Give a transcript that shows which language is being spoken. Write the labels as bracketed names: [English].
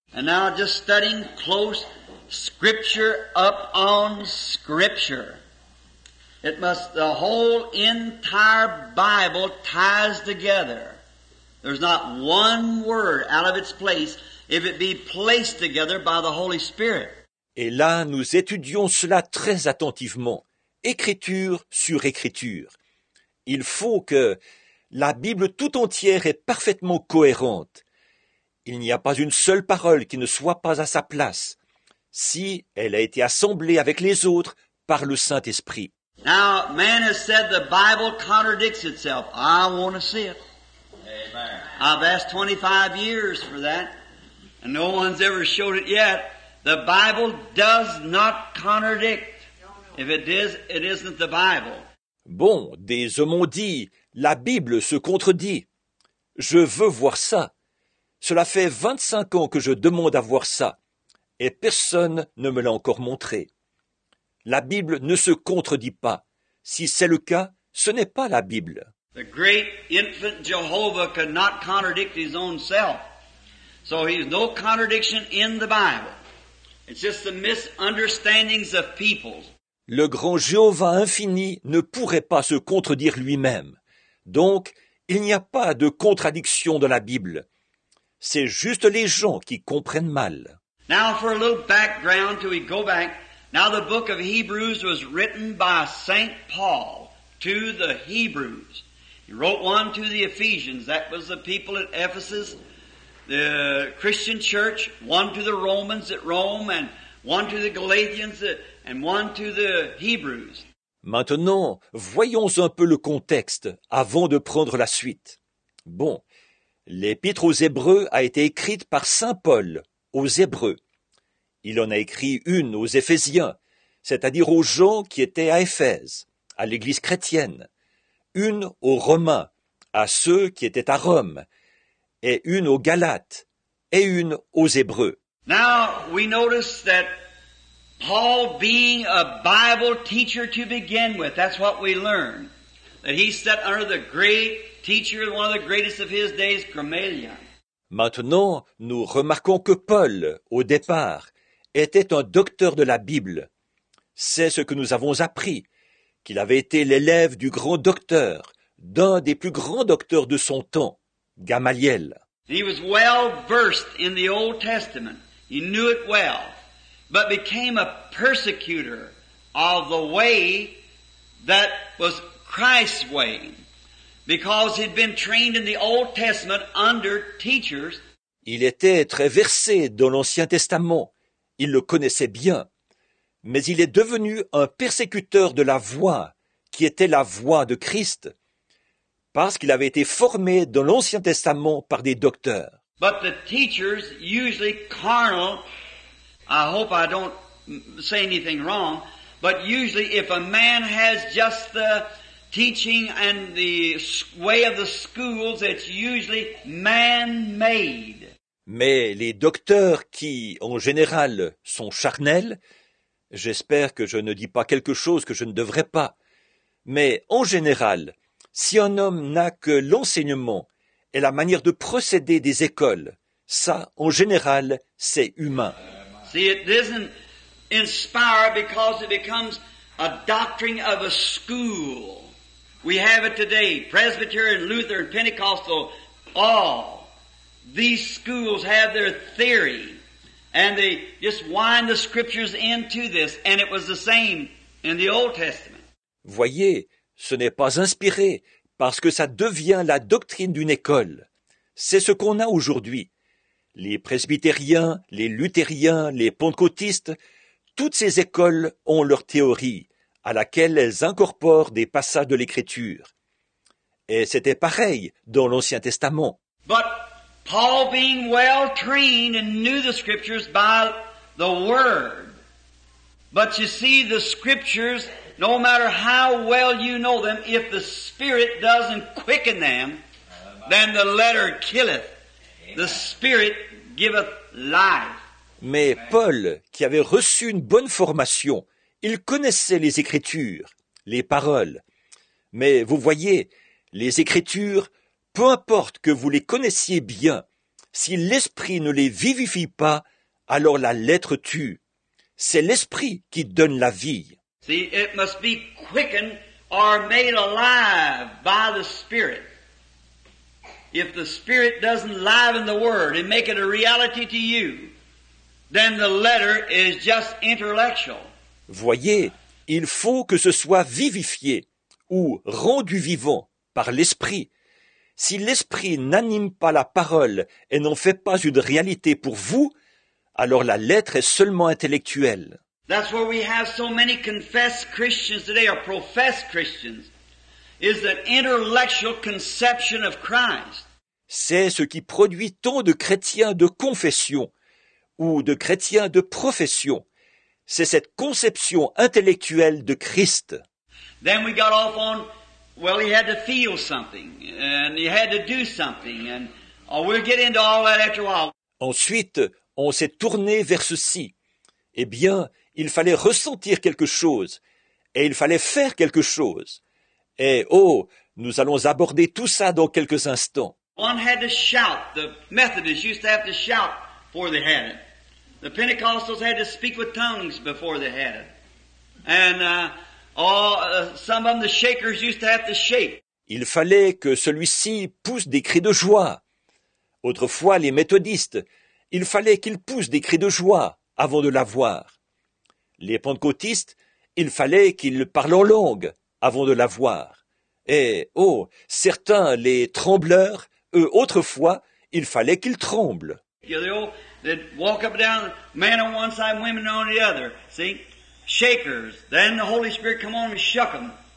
[English] And now just studying close scripture up on scripture. It must, the whole entire Bible ties together. There's not one word out of its place if it be placed together by the Holy Spirit. [French] Et là, nous étudions cela très attentivement, écriture sur écriture. Il faut que la Bible tout entière est parfaitement cohérente. Il n'y a pas une seule parole qui ne soit pas à sa place, si elle a été assemblée avec les autres par le Saint-Esprit. [English] Now, man has said the Bible contradicts itself. I want to see it. Amen. I've asked 25 years for that, and no one's ever showed it yet. The Bible does not contradict. If it is, it isn't the Bible. [French] Bon, des hommes ont dit, la Bible se contredit. Je veux voir ça. Cela fait 25 ans que je demande à voir ça, et personne ne me l'a encore montré. La Bible ne se contredit pas. Si c'est le cas, ce n'est pas la Bible. [English] The great infant Jehovah could not contradict his own self. So he's no contradiction in the Bible. It's just the misunderstandings of people. [French] Le grand Jéhovah infini ne pourrait pas se contredire lui-même. Donc, il n'y a pas de contradiction dans la Bible. C'est juste les gens qui comprennent mal. [English] Now for a little background till we go back. Now the book of Hebrews was written by Saint Paul to the Hebrews. He wrote one to the Ephesians, that was the people at Ephesus, the Christian church, one to the Romans at Rome, and one to the Galatians, and one to the Hebrews. [French] Maintenant, voyons un peu le contexte avant de prendre la suite. Bon, l'Épître aux Hébreux a été écrite par Saint Paul aux Hébreux. Il en a écrit une aux Éphésiens, c'est-à-dire aux gens qui étaient à Éphèse, à l'Église chrétienne, une aux Romains, à ceux qui étaient à Rome, et une aux Galates, et une aux Hébreux. [English] Now, we notice that Paul being a Bible teacher to begin with, that's what we learn, that he sat under the great teacher, one of the greatest of his days, Gamaliel. [French] Maintenant, nous remarquons que Paul, au départ, était un docteur de la Bible. C'est ce que nous avons appris, qu'il avait été l'élève du grand docteur, d'un des plus grands docteurs de son temps, Gamaliel. [English] He was well versed in the Old Testament. He knew it well. But became a persecutor of the way that was Christ's way, because he'd been trained in the Old Testament under teachers. [French] Il était très versé dans l'Ancien Testament. Il le connaissait bien. Mais il est devenu un persécuteur de la voie qui était la voie de Christ, parce qu'il avait été formé dans l'Ancien Testament par des docteurs. [English] But the teachers, usually carnal, I hope I don't say anything wrong, but usually if a man has just the teaching and the way of the schools, it's usually man-made. [French] Mais les docteurs qui, en général, sont charnels, j'espère que je ne dis pas quelque chose que je ne devrais pas, mais en général, si un homme n'a que l'enseignement et la manière de procéder des écoles, ça, en général, c'est humain. [English] See, it doesn't inspire because it becomes a doctrine of a school. We have it today. Presbyterian, Lutheran, Pentecostal, all these schools have their theory. And they just wind the scriptures into this. And it was the same in the Old Testament. [French] Voyez, ce n'est pas inspiré parce que ça devient la doctrine d'une école. C'est ce qu'on a aujourd'hui. Les presbytériens, les luthériens, les pentecôtistes, toutes ces écoles ont leur théorie, à laquelle elles incorporent des passages de l'Écriture. Et c'était pareil dans l'Ancien Testament. [English] But Paul being well trained and knew the Scriptures by the Word. But you see, the Scriptures, no matter how well you know them, if the Spirit doesn't quicken them, then the letter killeth. The Spirit giveth life. [French] Mais Paul, qui avait reçu une bonne formation, il connaissait les Écritures, les paroles. Mais vous voyez, les Écritures, peu importe que vous les connaissiez bien, si l'Esprit ne les vivifie pas, alors la lettre tue. C'est l'Esprit qui donne la vie. [English] See, it must be quickened or made alive by the Spirit. If the Spirit doesn't liven the Word and make it a reality to you, then the letter is just intellectual. [French] Voyez, il faut que ce soit vivifié ou rendu vivant par l'Esprit. Si l'Esprit n'anime pas la parole et n'en fait pas une réalité pour vous, alors la lettre est seulement intellectuelle. [English] That's where we have so many confessed Christians today, or professed Christians. Is an intellectual conception of Christ. [French] C'est ce qui produit tant de chrétiens de confession ou de chrétiens de profession. C'est cette conception intellectuelle de Christ. [English] Then we got off on, well, he had to feel something and he had to do something, and we'll get into all that after a while. [French] Ensuite, on s'est tourné vers ceci. Eh bien, il fallait ressentir quelque chose et il fallait faire quelque chose. Et oh, nous allons aborder tout ça dans quelques instants. [English] One had to shout. The Methodists used to have to shout before they had it. The Pentecostals had to speak with tongues before they had it. And some of them, the Shakers, used to have to shake. [French] Il fallait que celui-ci pousse des cris de joie. Autrefois, les méthodistes, il fallait qu'ils poussent des cris de joie avant de l'avoir. Les pentecôtistes, il fallait qu'ils parlent en langue avant de l'avoir. Et, oh, certains, les trembleurs, eux, autrefois, il fallait qu'ils tremblent. [English] They'd walk up and down, men on one side, women on the other. See? Shakers. Then the Holy Spirit come on and shook them.